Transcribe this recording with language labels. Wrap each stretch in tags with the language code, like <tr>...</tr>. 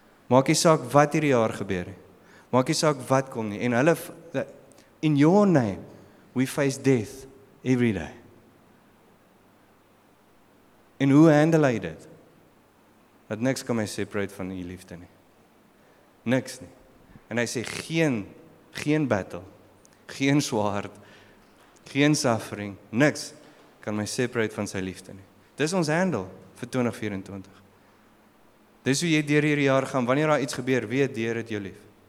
<af>Maak jy saak wat hierdie jaar gebeur het. Maak jy saak wat kom nie. En hulle,</af> <en>in your name, we face death every day.</en> <af>En hoe handle hy dit? Dat niks kan my separate van die liefde nie. Niks nie. En hy sê, geen battle, geen swaard, geen suffering, niks kan my separate van sy liefde nie. Dis ons handle vir 2024. Dis hoe jy deur hierdie jaar gaan, wanneer daar iets gebeur, weet deur het jou lief.</af>